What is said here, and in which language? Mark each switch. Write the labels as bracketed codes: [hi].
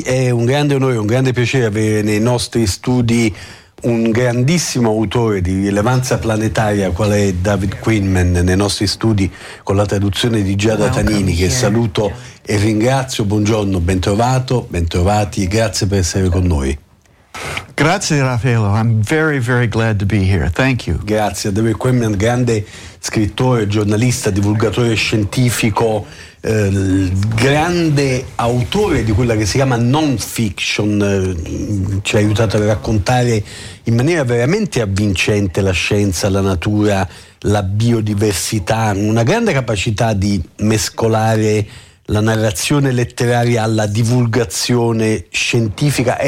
[it] È un grande onore, un grande piacere avere nei nostri studi un grandissimo autore di rilevanza planetaria qual è David Quinman, nei nostri studi con la traduzione di Giada Tanini, che saluto e ringrazio. Buongiorno, bentrovato, bentrovati, grazie per essere con noi. Grazie [en] Raffaello, I'm very very glad to be here, thank you. [it] Grazie. David Quinman, grande scrittore, giornalista, divulgatore scientifico, grande autore di quella che si chiama non-fiction, ci ha aiutato a raccontare in maniera veramente avvincente la scienza, la natura, la biodiversità, una grande capacità di mescolare la narrazione letteraria alla divulgazione scientifica.